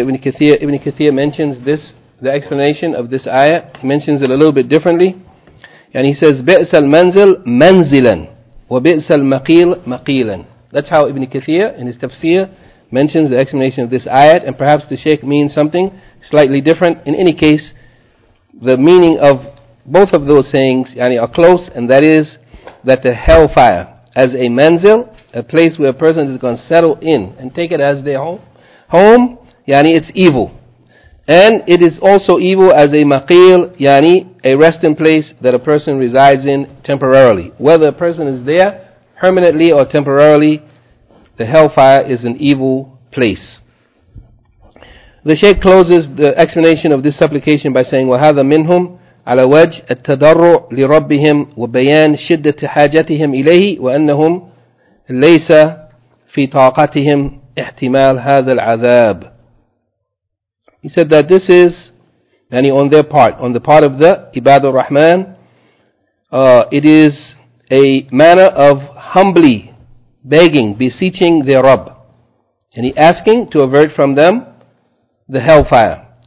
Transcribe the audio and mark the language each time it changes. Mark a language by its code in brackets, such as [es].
[en] Ibn Kathir mentions this, the explanation of this ayah. He mentions it a little bit differently. And he says, [ar] بِئْسَ الْمَنْزِلْ مَنْزِلًا وَبِئْسَ الْمَقِيلْ مَقِيلًا. [en] That's how Ibn Kathir in his tafsir mentions the explanation of this ayat, and perhaps the Shaykh means something slightly different. In any case, the meaning of both of those sayings yani are close, and that is that the hellfire as a manzil, a place where a person is going to settle in and take it as their home, yani it's evil. And it is also evil as a maqil, yani a resting place that a person resides in temporarily. Whether a person is there permanently or temporarily, the hellfire is an evil place. The Shaykh closes the explanation of this supplication by saying, [ar] وَهَذَا مِنْهُمْ عَلَى وَجْهِ التَّدَرُّ لِرَبِّهِمْ وَبَيَانْ شِدَّةِ حَاجَتِهِمْ إِلَيْهِ وَأَنَّهُمْ لَيْسَ فِي طَاقَتِهِمْ احْتِمَالْ هَذَا الْعَذَابِ. [en] He said that this is, yani on their part, on the part of the Ibad al-Rahman, it is a manner of humbly begging, beseeching their Rabb. And he asking to avert from them the hellfire.